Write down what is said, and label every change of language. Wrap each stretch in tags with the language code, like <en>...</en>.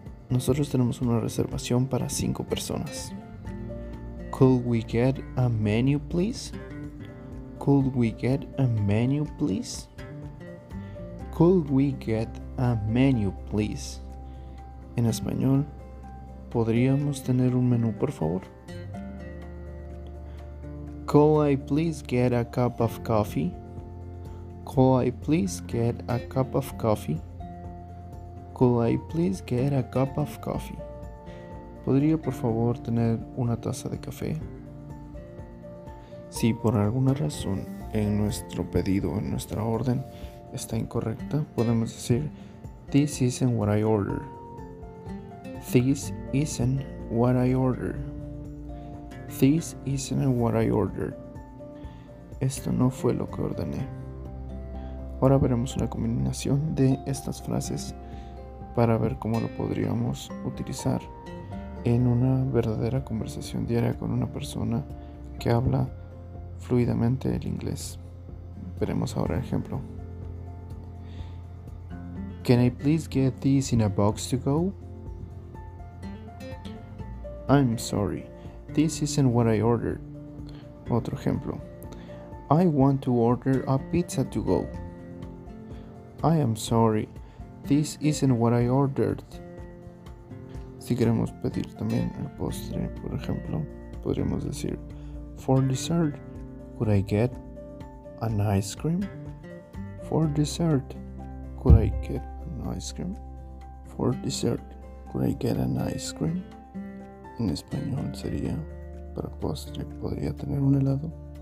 <es>Nosotros tenemos una reservación para 5 personas.</es> <en>Could we get a menu, please? Could we get a menu, please? Could we get a menu, please?</en> <es>En español, ¿podríamos tener un menú, por favor?</es> <en>Could I please get a cup of coffee? Could I please get a cup of coffee? Could I please get a cup of coffee?</en> <es>¿Podría, por favor, tener una taza de café? Si por alguna razón en nuestro pedido, en nuestra orden, está incorrecta, podemos decir,</es> <en>this isn't what I ordered. This isn't what I ordered. This isn't what I ordered.</en> <es>Esto no fue lo que ordené. Ahora veremos una combinación de estas frases para ver cómo lo podríamos utilizar en una verdadera conversación diaria con una persona que habla fluidamente el inglés. Veremos ahora el ejemplo.</es> <en>Can I please get these in a box to go? I'm sorry, this isn't what I ordered.</en> <es>Otro ejemplo.</es> <en>I want to order a pizza to go. I am sorry, this isn't what I ordered.</en> <es>Si queremos pedir también el postre, por ejemplo, podríamos decir,</es> <en>for dessert, could I get an ice cream? For dessert, could I get an ice cream? For dessert, could I get an ice cream?</en> <es>En español sería, para postre, ¿podría tener un helado?</es>